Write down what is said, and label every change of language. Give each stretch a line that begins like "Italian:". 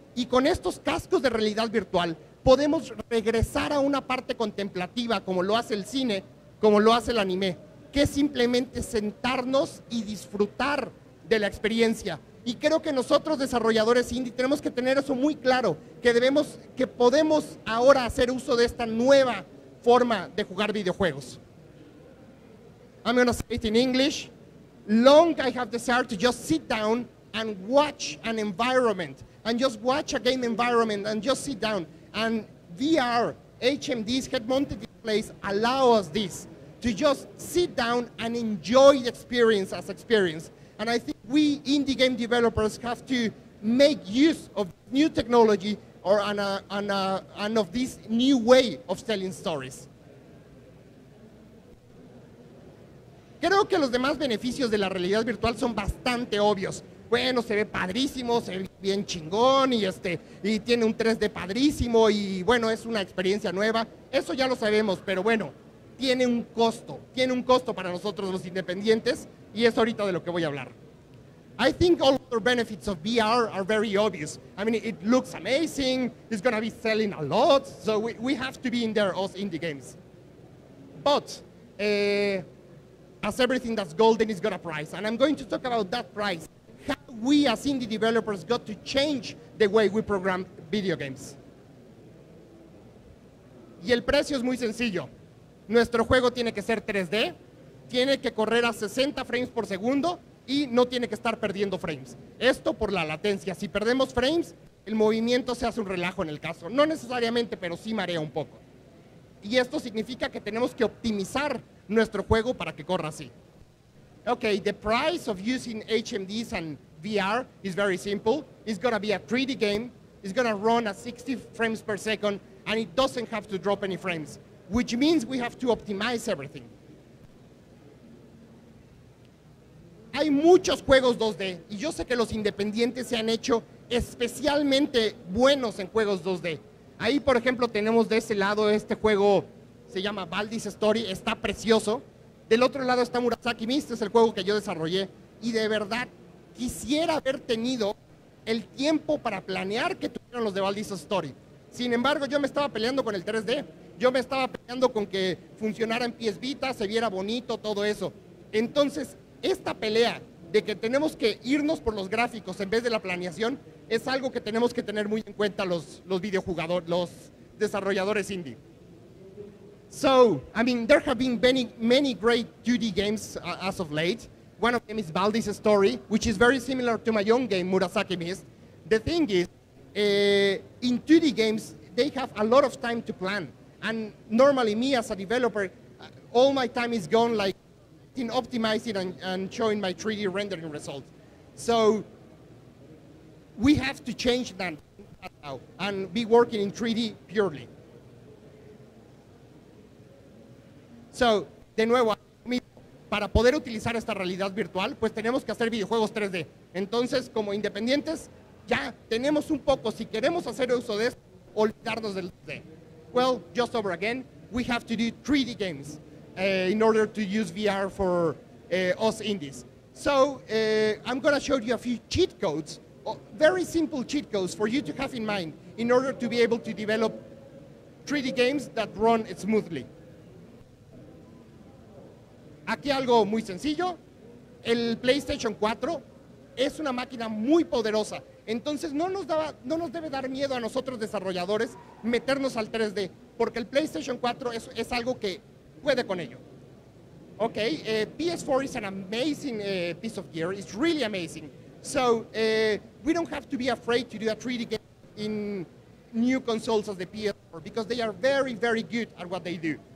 Spanish: Y con estos cascos de realidad virtual podemos regresar a una parte contemplativa como lo hace el cine, como lo hace el anime, que es simplemente sentarnos y disfrutar de la experiencia. Y creo que nosotros desarrolladores indie tenemos que tener eso muy claro, que podemos ahora hacer uso de esta nueva forma de jugar videojuegos.
English: I'm going to say it in English. Long I have desired to just sit down and watch an environment, and just watch a game environment, and just sit down. And VR, HMDs, head-mounted displays allow us this, to just sit down and enjoy the experience as experience. And I think we indie game developers have to make use of new technology or and of this new way of telling stories.
Spanish: Creo que los demás beneficios de la realidad virtual son bastante obvios. Bueno, se ve padrísimo, se ve bien chingón y tiene un 3D padrísimo y bueno, es una experiencia nueva. Eso ya lo sabemos, pero bueno, tiene un costo para nosotros los independientes. Y es ahorita de lo que voy a hablar.
English: I think all the benefits of VR are very obvious. I mean, it looks amazing. It's going to be selling a lot. So we have to be in there, us indie games. But as everything that's golden, it's got a price. And I'm going to talk about that price. How we as indie developers got to change the way we program video games.
Spanish: Y el precio es muy sencillo. Nuestro juego tiene que ser 3D. Tiene que correr a 60 frames por segundo y no tiene que estar perdiendo frames. Esto por la latencia. Si perdemos frames, el movimiento se hace un relajo en el caso. No necesariamente, pero sí marea un poco. Y esto significa que tenemos que optimizar nuestro juego para que corra así.
English: Ok, the price of using HMDs and VR is very simple. It's going to be a 3D game. It's going to run at 60 frames per second and it doesn't have to drop any frames, which means we have to optimize everything.
Spanish: Hay muchos juegos 2D y yo sé que los independientes se han hecho especialmente buenos en juegos 2D. Ahí, por ejemplo, tenemos de ese lado este juego, se llama Baldi's Story, está precioso. Del otro lado está Murasaki Mist, es el juego que yo desarrollé. Y de verdad, quisiera haber tenido el tiempo para planear que tuvieran los de Baldi's Story. Sin embargo, yo me estaba peleando con el 3D. Yo me estaba peleando con que funcionara en pies Vita, se viera bonito, todo eso. Entonces, esta pelea de que tenemos que irnos por los gráficos en vez de la planeación, es algo que tenemos que tener muy en cuenta los videojugadores, los desarrolladores indie.
English: So, I mean, there have been many, many great 2D games as of late. One of them is Baldi's Story, which is very similar to my own game, Murasaki Mist. The thing is, in 2D games, they have a lot of time to plan. And normally me as a developer, all my time is gone like in optimizing and showing my 3D rendering results. So we have to change that now and be working in 3D purely.
Spanish: So, de nuevo, para poder utilizar esta realidad virtual, pues tenemos que hacer videojuegos 3D. Entonces, como independientes, ya tenemos un poco, si queremos hacer uso de esto, olvidarnos del 3D.
English: Well, just over again, we have to do 3D games in order to use VR for us indies. So I'm going to show you a few cheat codes, very simple cheat codes for you to have in mind in order to be able to develop 3D games that run smoothly.
Spanish: Aquí algo muy sencillo. El PlayStation 4 es una máquina muy poderosa. Entonces, no nos debe dar miedo a nosotros desarrolladores meternos al 3D, porque el PlayStation 4 es algo que puede con ello.
English: Ok, PS4 is an amazing piece of gear. It's really amazing. So, we don't have to be afraid to do a 3D game in new consoles as the PS4, because they are very, very good at what they do.